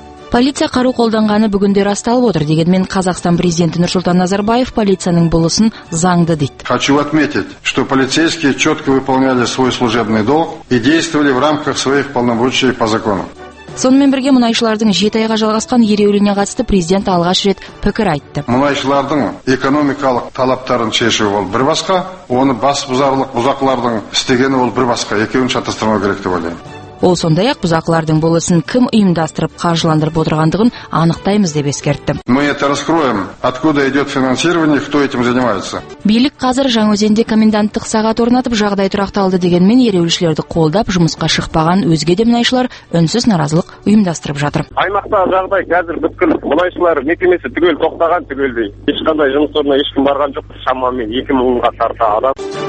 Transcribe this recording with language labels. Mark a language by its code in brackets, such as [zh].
[kk] Полиция қару қолданғаны бүгінде расталып отыр. Дегенмен Қазақстан президенті Нұрсұлтан Назарбаев полицияның бұлысын заңды дейді. [ru] Хочу отметить, что полицейские четко выполняли свой служебный долг и действовали в рамках своих полномочий по закону. [kk] Сонымен бірге мұнайшылардың жеті айға жалғасқан ереуіліне қатысты президент алғаш рет пікір айтты. Мұнайшылардың экономикалық талаптарын шешуі ол бір басқа, оны бас бұзарлық бұзақылардың істегені ол бір басқа, екеуін шатастырмау керек деп ойлаймын. Ол сондай-ақ бұзақылардың бұл ісін кім ұйымдастырып қаржыландырып отырғандығын анықтаймыз деп ескертті. [ru] Мы это раскроем, откуда идет финансирование, кто этим занимается. [kk] Билік қазір Жаңаөзенде коменданттық сағат орнатып, жағдай тұрақталды дегенмен ереуілшілерді қолдап, жұмысқа шықпаған өзге де мұнайшылар үнсіз наразылық ұйымдастырып жатыр. Аймақта жағдай қазір бүткіл мұнайшылар мекемесі түгел тоқтаған түгелдей. Ешқандай жұмыс орнына ешкім барған жоқ, шамамен 2000-ға тарта адам.